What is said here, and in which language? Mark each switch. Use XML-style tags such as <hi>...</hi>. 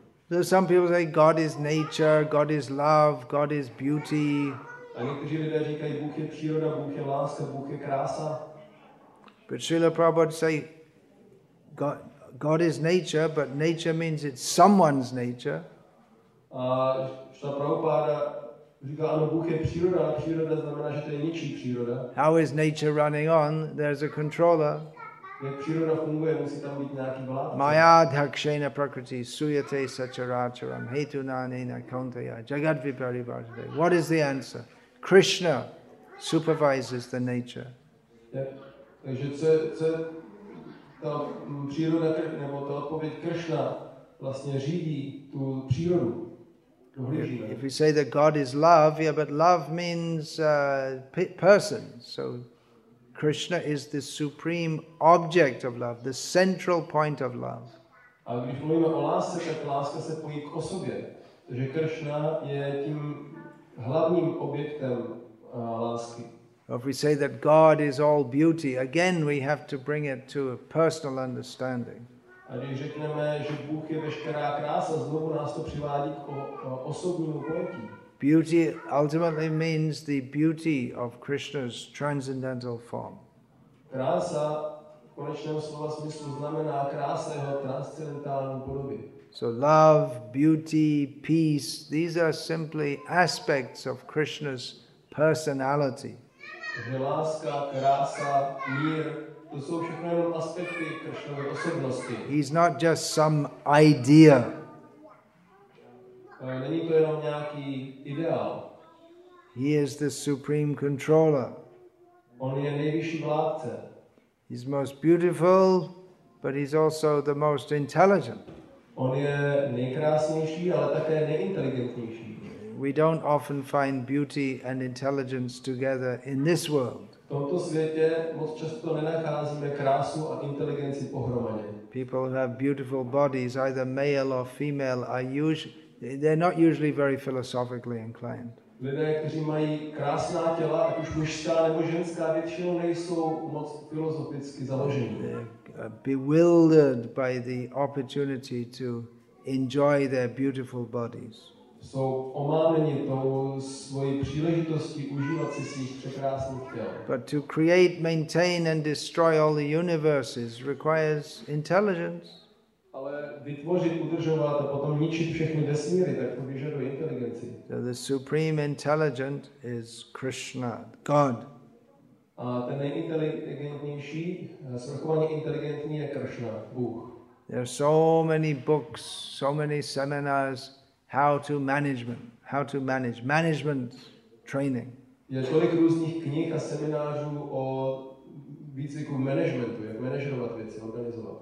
<en>So some people say God is nature, God is love, God is beauty.</en> <cs>A někteří lidé říkají, Bůh je příroda, Bůh je láska, Bůh je krása.</cs> <en>But Srila Prabhupada say God is nature, but nature means it's someone's nature.</en> <cs>A Srila Prabhupada říká, ano, Bůh je příroda, a příroda znamená, že to je něčí příroda.</cs> <en>How is nature running on? There's a controller.</en> <cs>Jak příroda funguje, musí tam být nějaký vládce.</cs> <sa>Maya dhakshena prakriti suyate sacharacharam hetu nanena kaunteya jagat viparivartate.</sa> <en>What is the answer? Krishna supervises the nature.</en> <cs>Takže co ta příroda, nebo ta odpověď Krishna vlastně řídí tu přírodu.</cs> <en>If we say that God is love, yeah, but love means person, so Krishna is the supreme object of love, the central point of love.</en> <cs>A když mluvíme o lásce, tak láska se pojí k osobě. že Kršna je tím hlavním objektem lásky.</cs> <en>If we say that God is all beauty, again we have to bring it to a personal understanding.</en> <cs>A když řekneme, že Bůh je veškerá krása, znovu nás to přivádí k osobnímu pojetí.</cs> <en>Beauty ultimately means the beauty of Krishna's transcendental form.</en> <cs>Krása v konečném slova smyslu znamená krása jeho transcendentální podoby.</cs> <en>So love, beauty, peace, these are simply aspects of Krishna's personality.</en> <cs>Že láska, krása, mír, to jsou všechno jenom aspekty Krishnovy osobnosti.</cs> <en>He's not just some idea.</en> <cs>Není to jenom nějaký ideál.</cs> <en>He is the supreme controller.</en> <cs>On je nejvyšší vládce.</cs> <en>He's most beautiful, but he's also the most intelligent.</en> <cs>On je nejkrásnější, ale také nejinteligentnější.</cs> <en>We don't often find beauty and intelligence together in this world.</en> <cs>V tomto světě moc často nenacházíme krásu a inteligenci pohromadě.</cs> <en>People who have beautiful bodies, either male or female, are they're not usually very philosophically inclined.</en> <cs>Lidé, kteří mají krásná těla, ať už mužská nebo ženská, většinou nejsou moc filozoficky založení.</cs> <en>Bewildered by the opportunity to enjoy their beautiful bodies.</en> <cs>Jsou omámeni tou svojí příležitostí užívat si svých překrásných těl.</cs> <en>But to create, maintain and destroy all the universes requires intelligence.</en> <cs>Ale vytvořit, udržovat a potom ničit všechny vesmíry, tak to vyžaduje inteligenci.</cs> <en>So the supreme intelligent is Krishna, God.</en> <cs>A ten nejinteligentnější, svrchovaně inteligentní je Krishna, Bůh.</cs> <en>There are so many books, so many seminars, how to manage management training.</en> <cs>Je tolik různých knih a seminářů o výcviku managementu, jak manažovat věci, organizovat.</cs>